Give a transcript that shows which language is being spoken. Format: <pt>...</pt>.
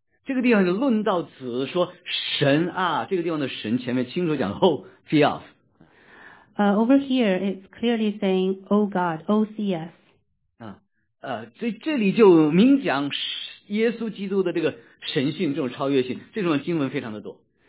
<zh>这个地方就论到子说神啊，这个地方的神前面清楚讲 ho theos。</zh> <en>Over here it's clearly saying O God, O CS。</en> <zh>所以这里就明讲耶稣基督的这个神性，这种超越性，这种经文非常的多。</zh>